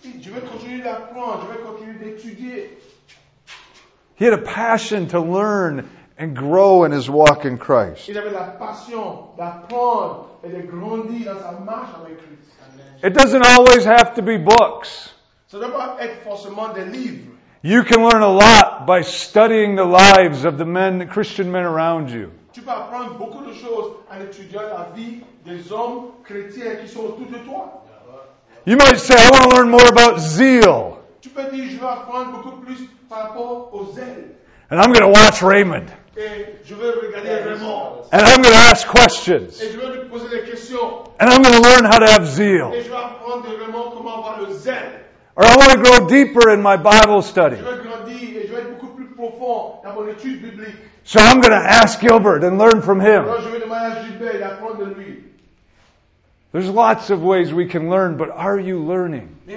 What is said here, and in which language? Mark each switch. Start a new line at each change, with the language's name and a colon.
French: Je veux continuer d'apprendre. Je veux continuer d'étudier.
English: He had a passion to learn and grow in his walk in Christ.
French: Il avait la passion d'apprendre et de grandir dans sa marche avec Christ.
English: It doesn't always have to be books.
French: Ça doit pas être forcément des livres.
English: You can learn a lot by studying the lives of the Christian men around you.
French: Tu peux apprendre beaucoup de choses en étudiant la vie des hommes chrétiens qui sont autour de toi.
English: You might say, I want to learn more about zeal.
French: Tu peux dire, je veux apprendre beaucoup plus par rapport aux zèles.
English: And I'm going to watch Raymond.
French: Et je veux regarder Raymond.
English: And I'm going to ask questions.
French: Et je veux lui poser des questions.
English: And I'm going to learn how to have zeal.
French: Et je veux apprendre de Raymond comment avoir le zèle.
English: Or I want to grow deeper in my Bible study.
French: Je veux grandir et je veux être beaucoup plus profond dans mon étude biblique.
English: So I'm going to ask Gilbert and learn from him.
French: Alors je vais demander à Gilbert d'apprendre de lui.
English: There's lots of ways we can learn, but are you learning?